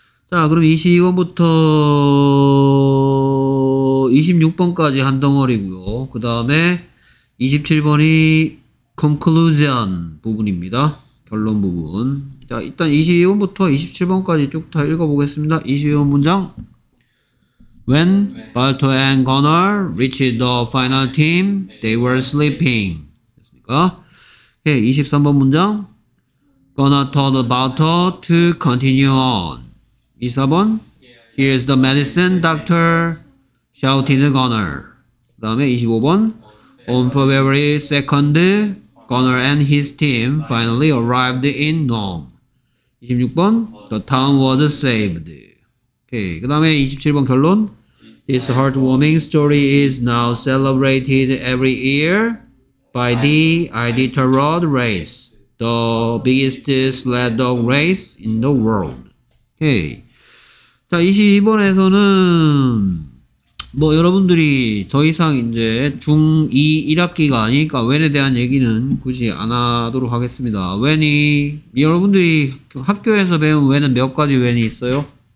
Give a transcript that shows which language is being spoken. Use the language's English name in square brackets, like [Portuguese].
[Korean] 자, 그럼 22번부터 26번까지 한 덩어리고요. 그 다음에 27번이 conclusion 부분입니다. 결론 부분. 자, 일단 22번부터 27번까지 쭉다 읽어보겠습니다. 22번 문장. [English] When Balto and Gunnar reached the final team, they were sleeping. [Korean] 됐습니까? 예, 23번 문장. [English] Gunnar told Balto to continue on. [Korean] 24번. [English] Here's the medicine, doctor, shouted Gunnar. [Korean] 그 다음에 25번. [English] On February 2nd, Gunnar and his team finally arrived in Nome. [Korean] 26번. [English] The town was saved. [Korean] 오케이. 그 다음에 27번 결론. [English] This heartwarming story is now celebrated every year by the Iditarod race, the biggest sled dog race in the world. [Korean] 오케이. 자, 22번에서는 뭐 여러분들이 더 이상 이제 중2 1학기가 아니니까 when에 대한 얘기는 굳이 안 하도록 하겠습니다. when이 여러분들이 학교에서 배운 when은 몇 가지 when이 있어요?